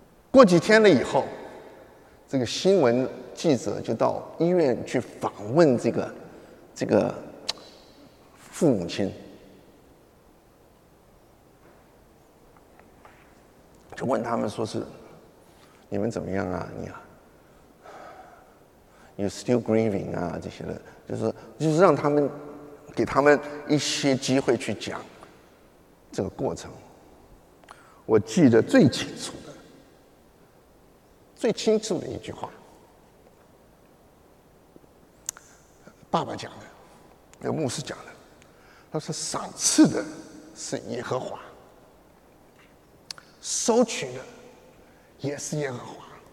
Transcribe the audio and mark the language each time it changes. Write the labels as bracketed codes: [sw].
[zh] 过几天了以后，这个新闻记者就到医院去访问这个父母亲，就问他们说是你们怎么样啊？你啊 [en] ，You still grieving 啊？ [zh] 这些的，就是让他们给他们一些机会去讲这个过程。我记得最清楚的、最清楚的一句话，爸爸讲的，那牧师讲的，他说：“赏赐的是耶和华，收取的也是耶和华。